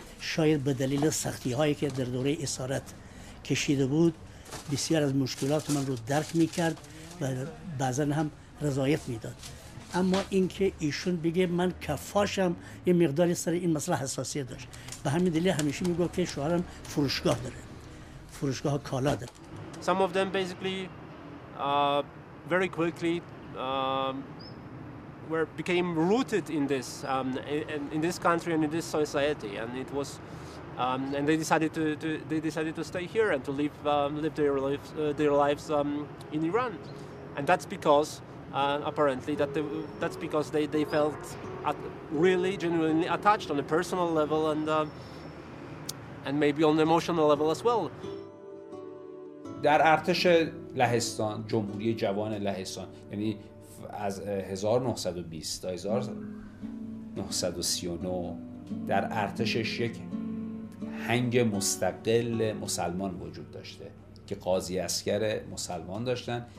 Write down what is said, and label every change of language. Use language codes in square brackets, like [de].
[fa] شاید به دلیل سختی هایی که در دوره اسارت کشیده بود، بسیار از مشکلات من رو درک میکرد و بعضا هم رضایت میداد. اما اینکه ایشون بگه من کفاشم، یه مقداری سر این مسئله حساسیت داشت. به همین دلیل همیشه میگفت که شوهرم فروشگاه داره، فروشگاه کالا داره. [en] Some of them basically very quickly were became rooted in this in this country and in this society, and it was and they decided to stay here and to live their lives in Iran, and that's because apparently that's because they felt really genuinely attached on a personal level and maybe on an emotional level as well. [fa] در ارتش لهستان، جمهوری جوان لهستان، یعنی از 1920 تا 1939 در ارتشش یک هنگ مستقل مسلمان وجود داشته که قاضی عسکر مسلمان داشتن.